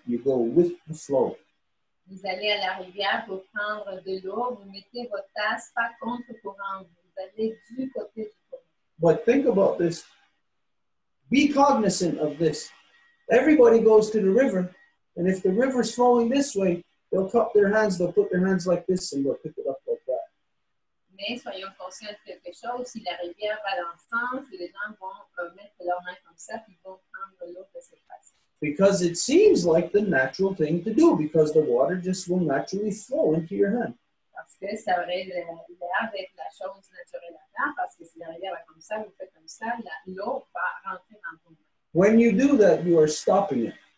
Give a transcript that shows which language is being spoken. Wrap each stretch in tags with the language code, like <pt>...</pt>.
<en>You go with the flow. But think about this. Be cognizant of this. Everybody goes to the river. And if the river is flowing this way, they'll cup their hands, they'll put their hands like this, and they'll pick it up like that.</en> <fr>Mais soyons conscients de quelque chose, si la rivière va dans le sens, les gens vont mettre leurs mains comme ça, puis vont prendre l'eau de cette façon.</fr> <en>Because it seems like the natural thing to do, because the water just will naturally flow into your hand.</en> <fr>Parce que ça aurait l'air d'être la chose naturelle à faire, parce que si la rivière va comme ça, vous faites comme ça, l'eau va rentrer dans vos mains.</fr> <en>When you do that, you are stopping it.</en>